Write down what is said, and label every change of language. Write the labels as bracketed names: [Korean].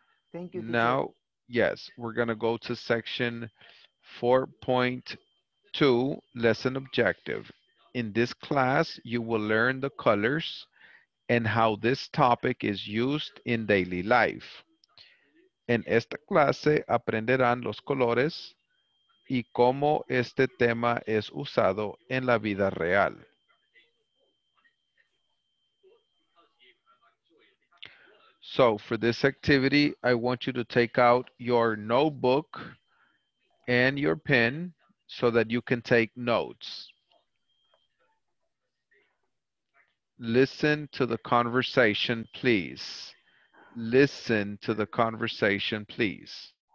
[English] Thank you. Now, yes, we're going to go to section 4.2, lesson objective. In this class, you will learn the colors and how this topic is used in daily life. [Spanish] En esta clase aprenderán los colores y cómo este tema es usado en la vida real. [English] So, for this activity, I want you to take out your notebook and your pen so that you can take notes. Listen to the conversation, please. Listen to the conversation, please.